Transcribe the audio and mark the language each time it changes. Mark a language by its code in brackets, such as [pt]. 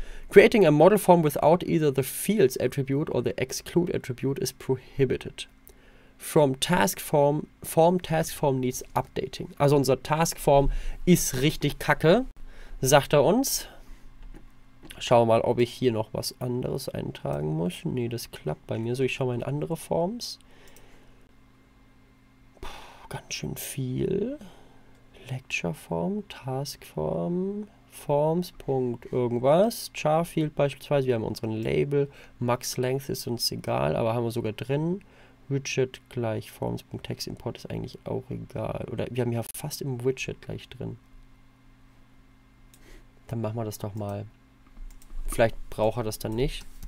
[en] Creating a model form without either the fields attribute or the exclude attribute is prohibited. From task form, form task form needs updating. [de] Also unser task form ist richtig kacke, sagt er uns. Schauen wir mal, ob ich hier noch was anderes eintragen muss. Nee, das klappt bei mir. So, ich schaue mal in andere Forms. Ganz schön viel. Lecture form, task form, forms. Punkt irgendwas. Char field beispielsweise. Wir haben unseren Label. Max length ist uns egal, aber haben wir sogar drin. Widget gleich Forms.text Import ist eigentlich auch egal. Oder wir haben ja fast im Widget gleich drin. Dann machen wir das doch mal. Vielleicht braucht er das dann nicht.